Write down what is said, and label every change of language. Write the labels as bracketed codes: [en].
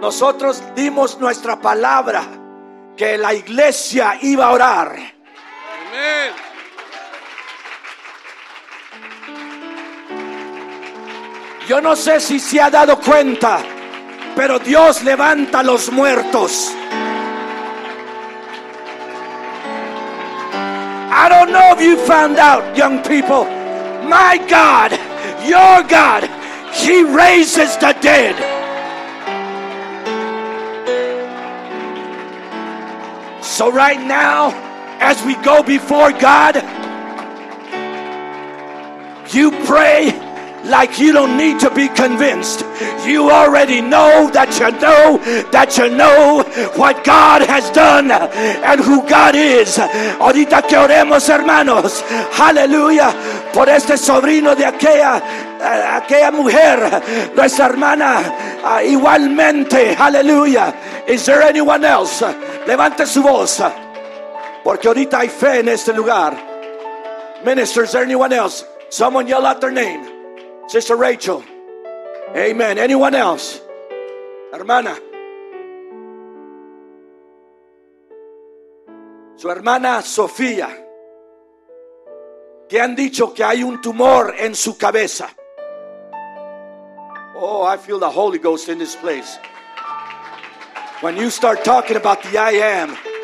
[es] Nosotros dimos nuestra palabra que la iglesia iba a orar. Amén. Yo no sé si se ha dado cuenta, pero Dios levanta a los muertos. [en] I don't know if you found out, young people. My God, your God, He raises the dead. So right now, as we go before God, you pray like you don't need to be convinced. You already know that you know that you know what God has done and who God is. [es] Ahorita que oremos, hermanos, hallelujah, por este sobrino de aquella mujer, nuestra hermana, igualmente, hallelujah. [en] Is there anyone else? [es] Levante su voz, porque ahorita hay fe en este lugar. [en] Minister, is there anyone else? Someone yell out their name. Sister Rachel. Amen. Anyone else? Hermana. [es] Su hermana Sofía. Que han dicho que hay un tumor en su cabeza. [en] Oh, I feel the Holy Ghost in this place. When you start talking about the I am.